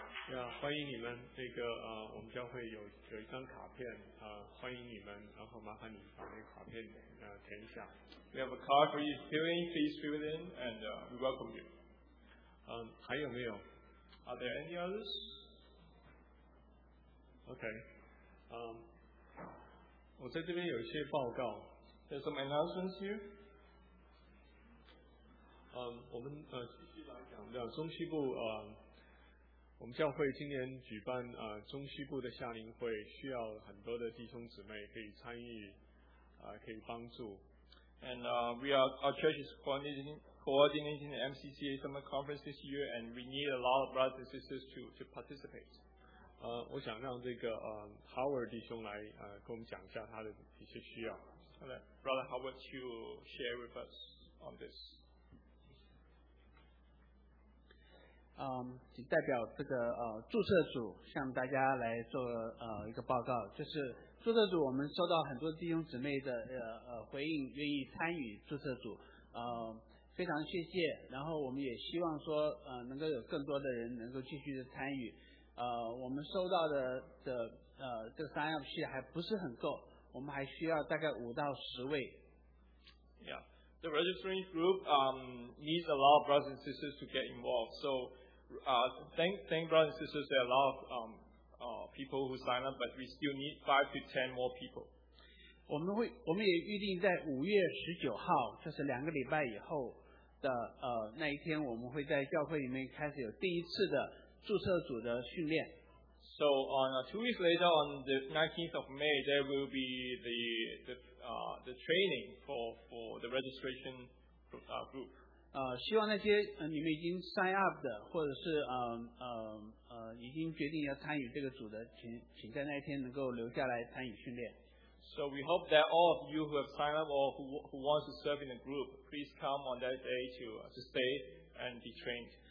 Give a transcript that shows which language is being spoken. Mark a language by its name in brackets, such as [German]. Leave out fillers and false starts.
[Chinese] Yeah, 欢迎你们。这个我们将会有一张卡片欢迎你们。然后麻烦你把那个卡片填一下。 [English] We have a card for you filling. Please fill it in, and we welcome you. [Chinese] 还有没有 [English] ？Are there any others? [Chinese] Okay, 我在这边有一些报告。 [English] There's some announcements here. [Chinese] 我们中西部我们教会今年举办中西部的夏令会，需要很多的弟兄姊妹可以参与，可以帮助。 [English] And our church is coordinating the MCCA summer conference this year, and we need a lot of brothers and sisters to participate. [Chinese] 我想让这个Howard 弟兄来跟我们讲一下他的一些需要。 [English] Okay, Brother Howard, you share with us on this. [Chinese] 请代表这个注册组向大家来做一个报告，就是注册组我们收到很多弟兄姊妹的回应，愿意参与注册组，非常谢谢。然后我们也希望说能够有更多的人能够继续的参与。我们收到的这个sign up sheet还不是很够，我们还需要大概5到10位。 [English] Yeah, the registering group needs a lot of brothers and sisters to get involved. So, thank brothers and sisters. There are a lot of people who sign up, but we still need 5 to 10 more people. [Chinese] 我们也预定在5月19号，就是两个礼拜以后的那一天，我们会在教会里面开始有第一次的。注册组的训练。 [English] So on two weeks later, on the 19th of May, there will be the training for the registration group. [Chinese] 希望那些你们已经 sign up 的，或者是已经决定要参与这个组的，请在那一天能够留下来参与训练。 [English] So we hope that all of you who have signed up or who wants to serve in the group, please come on that day to stay and be trained.